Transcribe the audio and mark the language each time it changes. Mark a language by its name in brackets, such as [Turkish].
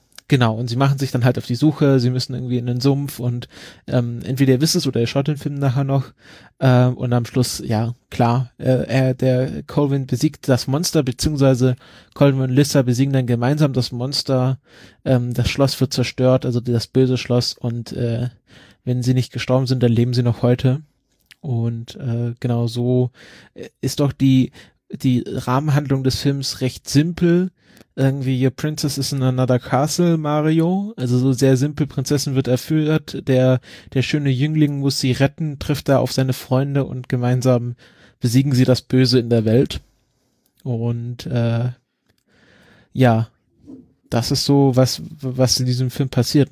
[German] Genau, und sie machen sich dann halt auf die Suche, sie müssen irgendwie in den Sumpf und entweder ihr wisst es oder ihr schaut den Film nachher noch und am Schluss, ja, klar, der Colvin besiegt das Monster, beziehungsweise Colvin und Lissa besiegen dann gemeinsam das Monster, das Schloss wird zerstört, also das böse Schloss, und wenn sie nicht gestorben sind, dann leben sie noch heute, und genau so ist doch die Rahmenhandlung des Films recht simpel. Irgendwie, [English] your princess is in another castle, Mario. [German] Also so sehr simpel, Prinzessin wird erführt, der schöne Jüngling muss sie retten, trifft da auf seine Freunde und gemeinsam besiegen sie das Böse in der Welt. Und ja, das ist so, was in diesem Film passiert.